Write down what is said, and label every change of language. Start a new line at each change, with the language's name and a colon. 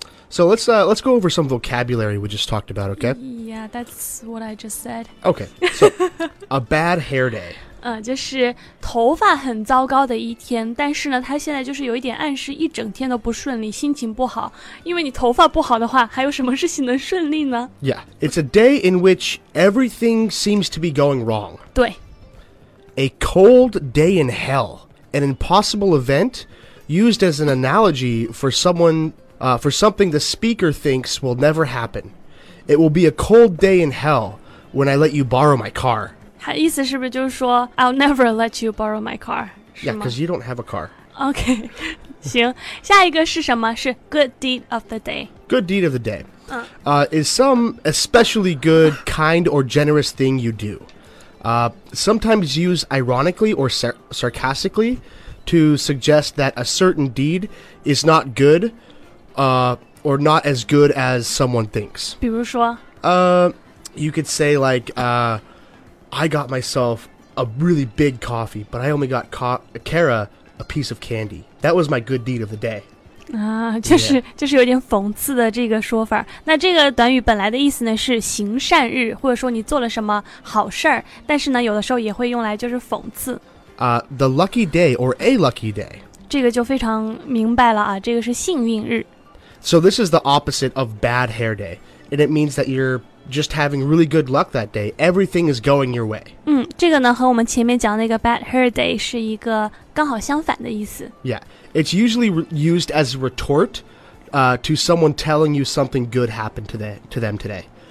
English: So let's go over some vocabulary we just talked about, okay? Yeah, that's what I just said. Okay, so a bad hair day.
Chinese: 就是头发很糟糕的一天，但是呢，它现在就是有一点暗示一整天都不顺利，心情不好。因为你头发不好的话，还有什么事情能顺利呢？
English: Yeah, it's a day in which everything seems to be going wrong.
Chinese: 对。
English: A cold day in hell, an impossible event used as an analogy for someone... for something the speaker thinks will never happen. It will be a cold day in hell when I let you borrow my car.
Chinese: 他意思是不是就是说
English: I'll never let you borrow my car,
Chinese: 是吗?
English: Yeah, because you don't have a car.
Chinese: Okay, 行。下一个是什么?是
English: good deed of the day. Good deed of the day. Is some especially good, kind, or generous thing you do. Sometimes used ironically or sarcastically to suggest that a certain deed is not good,or not as good as someone thinks.
Chinese: 比如说?
English: You could say like, I got myself a really big coffee, but I only got Kara a piece of candy. That was my good deed of the day.
Chinese: 就是有点讽刺的这个说法。那这个短语本来的意思呢是行善日，或者说你做了什么好事儿，但是呢有的时候也会用来就是讽刺。
English: The lucky day or a lucky day.
Chinese: 这个就非常明白了啊，这个是幸运日。
English: So this is the opposite of bad hair day, and it means that you're just having really good luck that day. Everything is going your way.
Chinese: 这个呢和我们前面讲那个 bad hair day 是一个刚好相反的意思。
English: Yeah, it's usually used as a retort to someone telling you something good happened to them today.